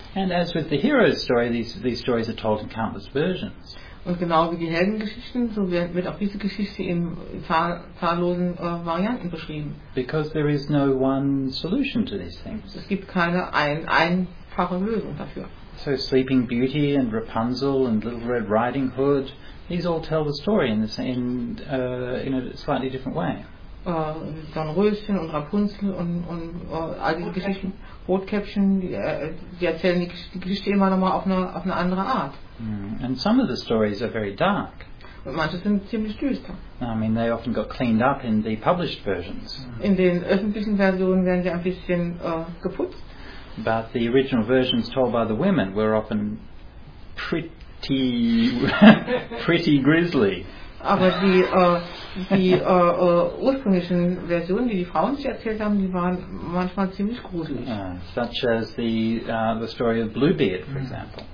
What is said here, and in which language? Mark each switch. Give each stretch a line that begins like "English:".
English: And as with the hero's story, these stories are told in countless versions.
German: Und genau wie die Heldengeschichten, so wird auch diese Geschichte in zahllosen Varianten beschrieben.
English: Because there is no one solution to these things.
German: Es gibt keine einfache Lösung dafür.
English: So Sleeping Beauty and Rapunzel and Little Red Riding Hood, these all tell the story in a slightly different way.
German: Dornröschen und Rapunzel und all diese Geschichten, Rotkäppchen, die erzählen die Geschichte immer nochmal auf eine andere Art.
English: And some of the stories are very dark.
German: Und manche sind ziemlich düster.
English: I mean, they often got cleaned up in the published versions.
German: In den öffentlichen Versionen werden sie ein bisschen geputzt.
English: But the original versions told by the women were often pretty, pretty grisly.
German: Aber die ursprünglichen Versionen, die Frauen sich erzählt haben, die waren manchmal ziemlich gruselig.
English: Such as the story of Bluebeard, for example.